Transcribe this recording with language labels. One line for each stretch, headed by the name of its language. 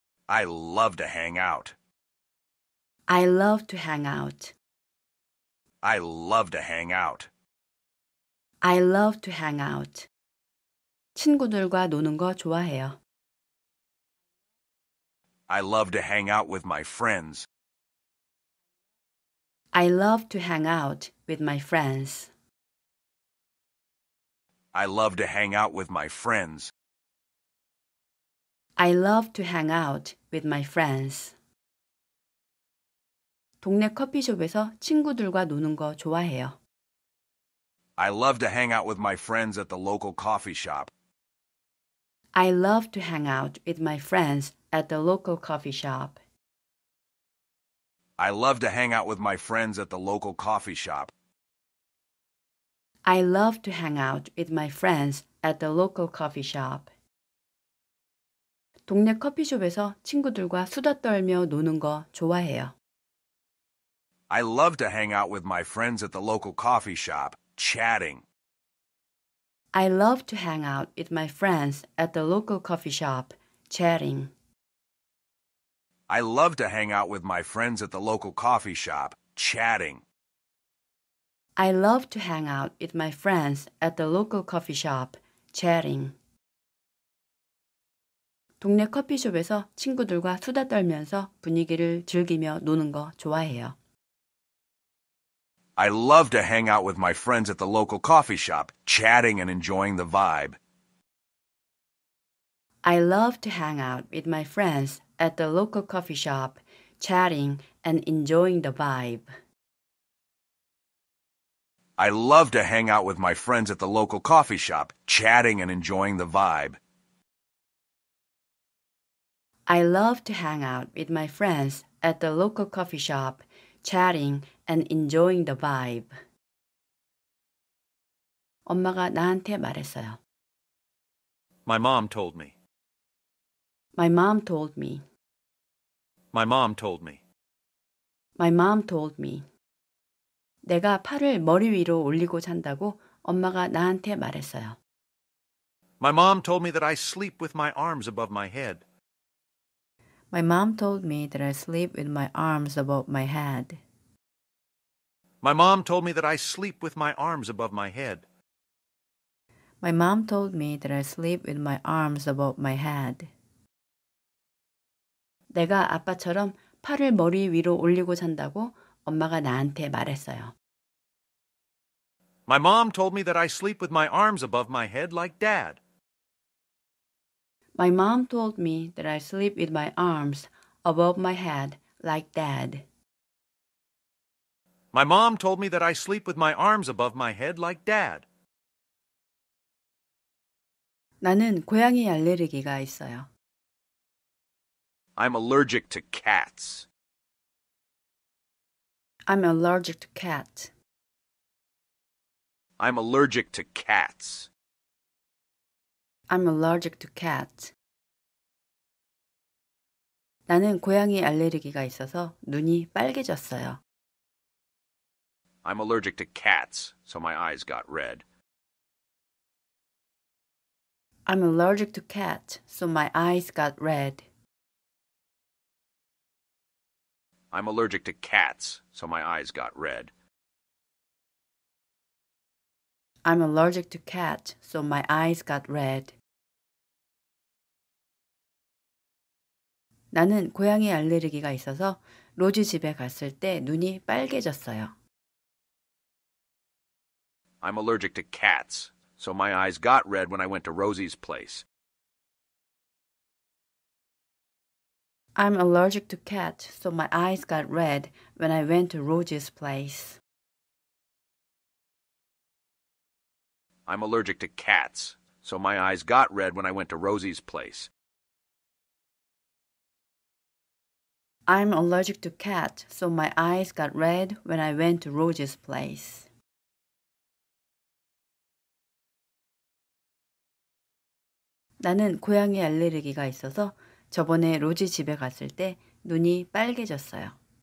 English: I love to hang out. I love to hang out. I love to hang out. I love to hang out.
Korean: 친구들과 노는 거 좋아해요.
English: I love to hang out with my friends. I love to hang out with my friends. I love to hang out with my friends. I love to hang out with my friends.
Korean: 동네 커피숍에서 친구들과 노는 거 좋아해요.
English: I love to hang out with my friends at the local coffee shop. I love to hang out with my friends at the local coffee shop. I love to hang out with my friends at the local coffee shop. I love to hang out with my friends at the local coffee shop.
Korean: 동네 커피숍에서 친구들과 수다 떨며 노는 거 좋아해요.
English: I love to hang out with my friends at the local coffee shop, chatting. I love to hang out with my friends at the local coffee shop, chatting. I love to hang out with my friends at the local coffee shop, chatting. I love to hang out with my friends at the local coffee shop, chatting.
Korean: 동네 커피숍에서 친구들과 수다 떨면서 분위기를 즐기며 노는 거 좋아해요.
English: I love to hang out with my friends at the local coffee shop, chatting and enjoying the vibe. I love to hang out with my friends at the local coffee shop, chatting and enjoying the vibe. I love to hang out with my friends at the local coffee shop, chatting and enjoying the vibe. I love to hang out with my friends at the local coffee shop, chatting and enjoying the vibe.
Korean: 엄마가 나한테 말했어요.
English: My mom told me. My mom told me. My mom told me. My mom told me.
Korean: 내가 팔을 머리 위로 올리고 잔다고 엄마가 나한테 말했어요.
English: My mom told me that I sleep with my arms above my head. My mom told me that I sleep with my arms above my head. My mom told me that I sleep with my arms above my head. My mom told me that I sleep with my arms above my head.
Korean: 내가 아빠처럼 팔을 머리 위로 올리고 잔다고 엄마가 나한테 말했어요.
English: My mom told me that I sleep with my arms above my head like dad. My mom told me that I sleep with my arms above my head like dad. My mom told me that I sleep with my arms above my head like dad.
Korean: 나는 고양이 알레르기가 있어요.
English: I'm allergic to cats. I'm allergic to cats. I'm allergic to cats. I'm allergic to cats.
Korean: 나는 고양이 알레르기가 있어서 눈이 빨개졌어요.
English: I'm allergic to cats, so my eyes got red. I'm allergic to cats, so my eyes got red. I'm allergic to cats, so my eyes got red. I'm allergic to cats, so my eyes got red.
Korean: 나는 고양이 알레르기가 있어서 로지 집에 갔을 때 눈이 빨개졌어요.
English: I'm allergic to cats, so my eyes got red when I went to Rosie's place. I'm allergic to cats, so my eyes got red when I went to Rosie's place. I'm allergic to cats, so my eyes got red when I went to Rosie's place. I'm allergic to cats, so my eyes got red when I went to Roger's place.
Korean: 나는 고양이 알레르기가 있어서 저번에 로지 집에 갔을 때 눈이 빨개졌어요.